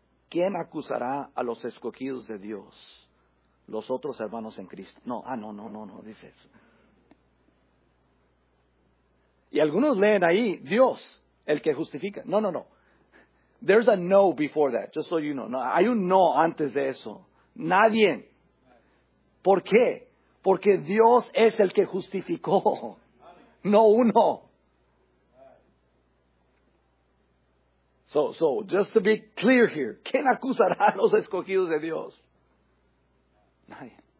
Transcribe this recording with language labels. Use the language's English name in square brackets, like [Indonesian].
[Spanish] ¿Quién acusará a los escogidos de Dios? Los otros hermanos en Cristo. No, dice eso. Y algunos leen ahí, Dios, el que justifica. No. [English] There's a no before that, just so you know. [Spanish] No, hay un no antes de eso. Nadie. ¿Por qué? Porque Dios es el que justificó. No uno. [English] So, just to be clear here. [Spanish] ¿Quién acusará a los escogidos de Dios? Nadie.